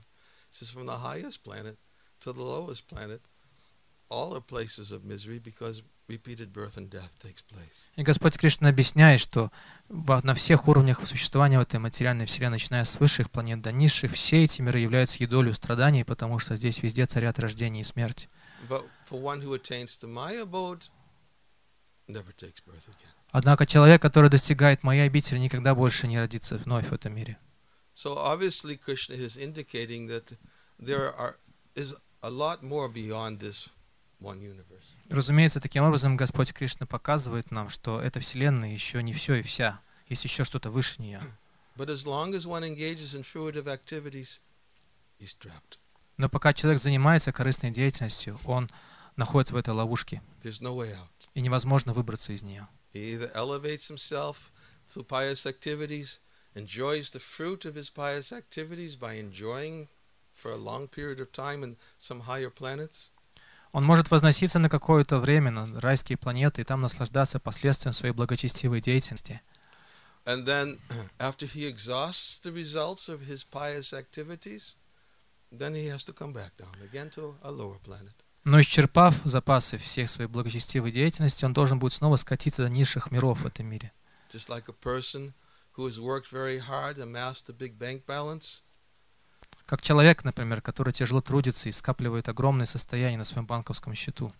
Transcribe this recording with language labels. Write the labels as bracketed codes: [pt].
[en] He says from the highest planet to the lowest planet, all are places of misery because repeated birth and death takes place. [ru] И Господь Кришна объясняет, что на всех уровнях существования в этой материальной вселенной, начиная с высших планет до низших, все эти миры являются едолью страданий, потому что здесь везде царят рождение и смерть. [en] But for one who attains to my abode, never takes birth again. [ru] Однако человек, который достигает моей обители, никогда больше не родится вновь в этом мире. [en] So obviously Krishna is indicating that there is a lot more beyond this one universe. [ru] Разумеется, таким образом Господь Кришна показывает нам, что эта Вселенная еще не все и вся. Есть еще что-то выше нее. [en] But as long as one engages in fruitive activities, he's trapped. [ru] Но пока человек занимается корыстной деятельностью, он находится в этой ловушке. [en] There's no way out. [ru] И невозможно выбраться из нее. [en] He either elevates himself through pious activities, enjoys the fruit of his pious activities by enjoying for a long period of time in some higher planets. [ru] Он может возноситься на какое-то время на райские планеты и там наслаждаться последствиями своей благочестивой деятельности. [en] And then, after he exhausts the results of his pious activities, then he has to come back down again to a lower planet. [ru] Но исчерпав запасы всех своей благочестивой деятельности, он должен будет снова скатиться до низших миров в этом мире. [en] Just like a person who has worked very hard and amassed a big bank balance. [ru] Как человек, например, который тяжело трудится и скапливает огромное состояние на своем банковском счету.